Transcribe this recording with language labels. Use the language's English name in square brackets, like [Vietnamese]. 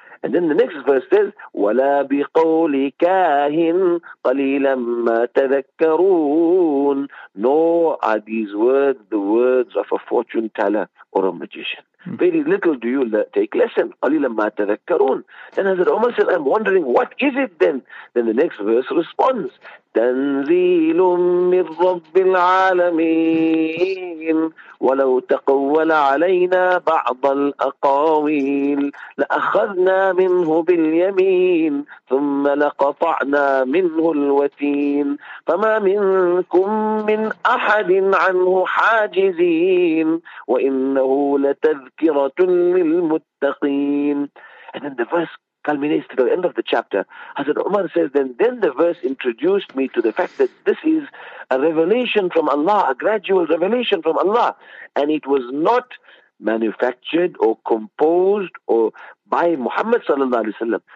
[English] And then the next verse says, [Arabic] وَلَا بِقَوْلِ كَاهِنْ قَلِيلًا مَا تَذَكَّرُونَ, [English] nor are these words the words of a fortune teller or a magician. Very little do you take lesson. Then Hazrat Umar said, I'm wondering, what is it then? Then the next verse responds, [Arabic] تَنْزِيلٌ مِّن رَّبِّ الْعَالَمِينَ وَلَوْ تَقَوَّلَ عَلَيْنَا بَعْضَ الْأَقَاوِيلِ لَأَخَذْنَا مِنْهُ بِالْيَمِينِ ثُمَّ لَقَطَعْنَا مِنْهُ الْوَتِينِ فَمَا مِنْكُم مِّنْ أَحَدٍ عَنْهُ حَاجِزِينَ وَإِنَّهُ لَتَذْكِرَةٌ لِّلْمُتَّقِينَ. [English] And then the verse culminates to the end of the chapter. Hazrat Umar says, then the verse introduced me to the fact that this is a revelation from Allah, a gradual revelation from Allah. And it was not manufactured or composed or by Muhammad sallallahu alaihi wasallam.